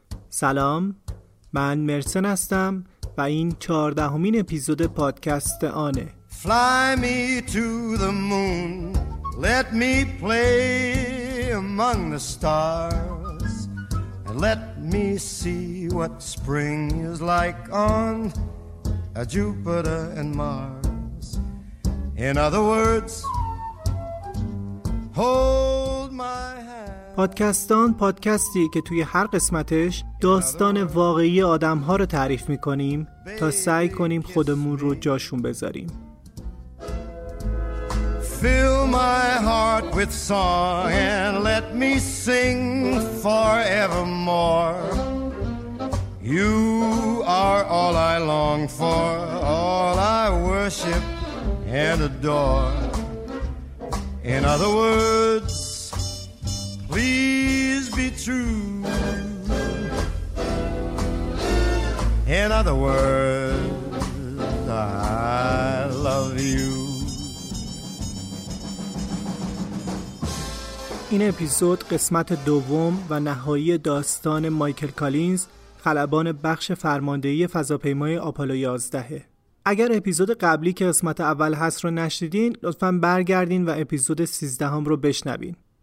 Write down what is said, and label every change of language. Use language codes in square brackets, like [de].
[fa] سلام، من مرسن هستم و این 14th اپیزود پادکست آنه. [en] Fly me to the moon, let me play among the stars, and let me see what spring is like on Jupiter and Mars. In other words, hold my hand. [fa] پادکستان پادکستی که توی هر قسمتش داستان واقعی آدم‌ها رو تعریف می‌کنیم تا سعی کنیم خودمون رو جاشون بذاریم. [en] Fill my heart with song and let me sing forevermore. You are all I long for, all I worship and adore. In other words, please be true. In other words, I love you. [fa] این اپیزود قسمت دوم و نهایی داستان مایکل کالینز، خلبان بخش فرماندهی فضاپیمای آپولو 11. اگر اپیزود قبلی که قسمت اول هست رو نشنیدین، لطفاً برگردین و اپیزود 13 رو بشنوین.